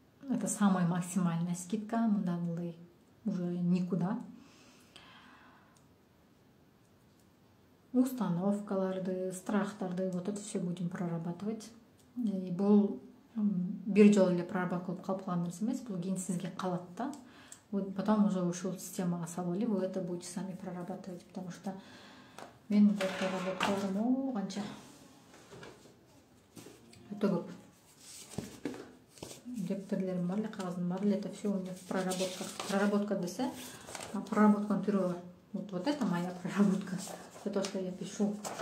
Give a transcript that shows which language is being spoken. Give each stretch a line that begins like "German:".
Russian: Это самая максимальная скидка.
Kyrgyz: Мында мындай
Russian: уже никуда. Установкаларды, страхтарды, вот это все будем прорабатывать.
Kyrgyz: И бул бир жолу эле проработка кылып калган нерсе эмес, бул кийин сизге калат да.
Russian: Вот потом уже
Kyrgyz: ушул системага салып алып,
Russian: это будете сами прорабатывать, потому что
Kyrgyz: мен бул проработкадан канча өтө көп дептерлерим бар эле, кагазым бар эле,
Russian: это все у меня в проработках.
Kyrgyz: Проработка десе, проработканын түрү бар.
Russian: Вот это моя проработка. все то, что я пишу.